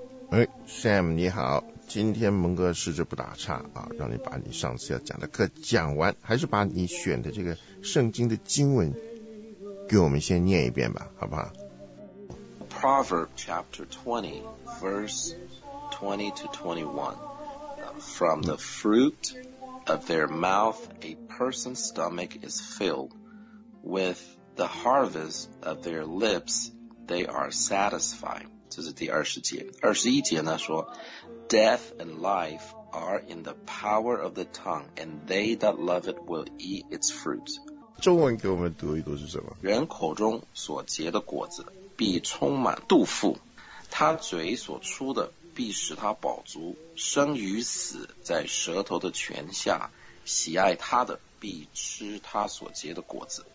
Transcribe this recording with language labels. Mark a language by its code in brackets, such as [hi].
[zh] 哎 ，Sam 你好，今天蒙哥试着不打岔啊，让你把你上次要讲的课讲完，还是把你选的这个圣经的经文给我们先念一遍吧，好不好？ [en] Proverb chapter 20 verse 20 to 21, from the fruit of their mouth a person's stomach is filled, with the harvest of their lips they are satisfied. [zh] 这是第二十节。二十一节呢说， [en] Death and life are in the power of the tongue, and they that love it will eat its fruit. [zh] 中文给我们读一读是什么？人口中所结的果子必充满肚腹，他嘴所出的必使他饱足，生与死在舌头的权下，喜爱他的必吃他所结的果子。